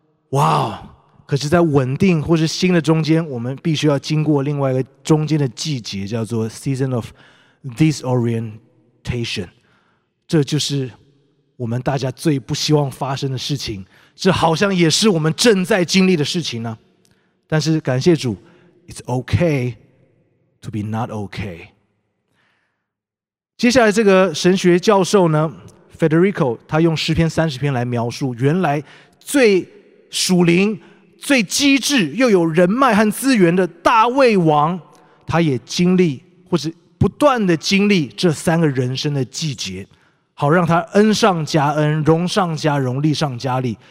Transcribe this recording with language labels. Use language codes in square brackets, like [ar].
[zh] 哇，可是在稳定或是新的中间，我们必须要经过另外一个中间的季节，叫做 [en] Season of Disorientation。 [zh] 这就是我们大家最不希望发生的事情，这好像也是我们正在经历的事情呢。但是感谢主， [en] It's okay to be not okay。 [zh] 接下来这个神学教授呢，Federico， 他用诗篇三十篇来描述原来最属灵、最机智又有人脉和资源的大卫王，他也经历或是不断的经历这三个人生的季节，好让他恩上加恩、荣上加荣、利上加利。